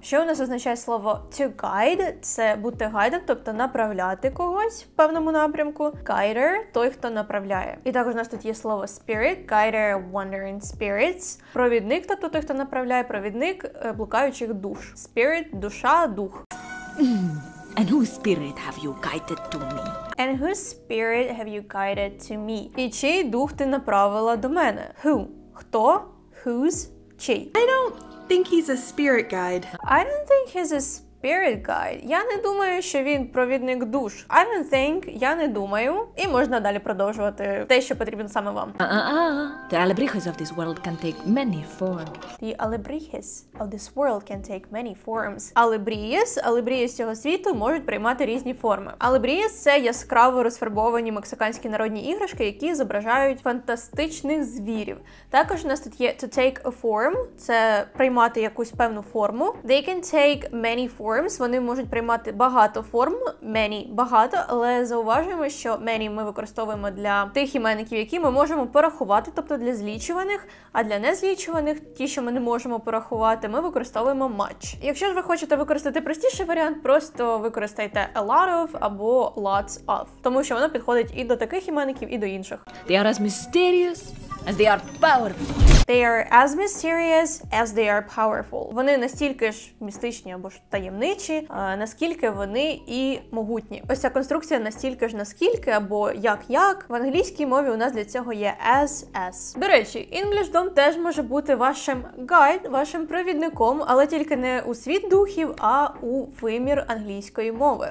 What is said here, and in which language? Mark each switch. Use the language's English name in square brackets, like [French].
[Ukrainian] Що у нас означає слово to guide? Це бути гайдом, тобто направляти когось в певному напрямку. Guider – той, хто направляє. І також у нас тут є слово spirit, [English] guider of wandering spirits. [Ukrainian] Провідник, тобто той, хто направляє, провідник блукаючих душ. Spirit – душа, дух. [English] And whose spirit have you guided to me? And whose spirit have you guided to me? [Ukrainian] І чий дух ти направила до мене? [English] Who? Хто? Whose? чий? I don't think he's a spirit guide. I don't think he's a spirit guide. [Ukrainian] Я не думаю, що він провідник душ. [English] I don't think, [Ukrainian] я не думаю. І можна далі продовжувати те, що потрібно саме вам. [English] The alebrijes of this world can take many forms. The alebrijes of this world can take many forms. [Ukrainian] Alebrijes, alebrijes цього світу можуть приймати різні форми. Alebrijes – це яскраво розфарбовані мексиканські народні іграшки, які зображають фантастичних звірів. Також у нас тут є to take a form – це приймати якусь певну форму. [English] They can take many forms. [Ukrainian] Forms, вони можуть приймати багато форм, many – багато, але зауважуємо, що many ми використовуємо для тих іменників, які ми можемо порахувати, тобто для злічуваних, а для незлічуваних, ті, що ми не можемо порахувати, ми використовуємо much. Якщо ж ви хочете використати простіший варіант, просто використайте a lot of або lots of, тому що воно підходить і до таких іменників, і до інших. [English] They are as mysterious as they are powerful. They are as mysterious as they are powerful. [Ukrainian] Вони настільки ж містичні або ж таємничі, наскільки вони і могутні. Ось ця конструкція настільки ж наскільки або як-як. В англійській мові у нас для цього є as-as. До речі, Englishdom теж може бути вашим гайд, вашим провідником, але тільки не у світ духів, а у вимір англійської мови.